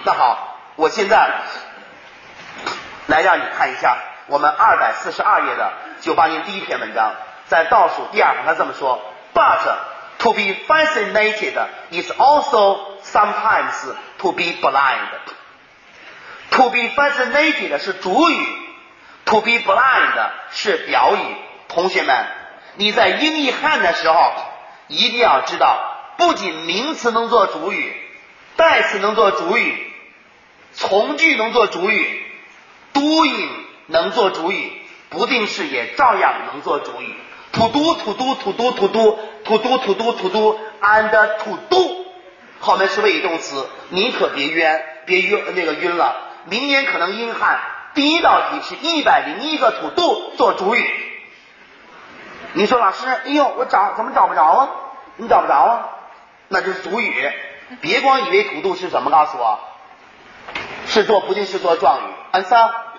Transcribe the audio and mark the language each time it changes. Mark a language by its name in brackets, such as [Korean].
[Chinese] 那好，我现在来让你看一下。我们242页的98年第一篇文章，在倒数第二行，他这么说 ： [English] But to be fascinated is also sometimes to be blind. [Chinese] To be fascinated 是主语 ，to be blind 是表语。同学们，你在英译汉的时候，一定要知道，不仅名词能做主语，代词能做主语，从句能做主语 ，doing。能做主语，不定式也照样能做主语。 to do to do to do to do to do to do to do and to do， 后面是谓语动词，你可别冤，别晕那个晕了。明年可能英汉第一道题是101个 to do 做主语。你说老师，哎呦，我找怎么找不着啊？你找不着啊？那就是主语，别光以为 to do 是什么，告诉我，是做不定式做状语。安三。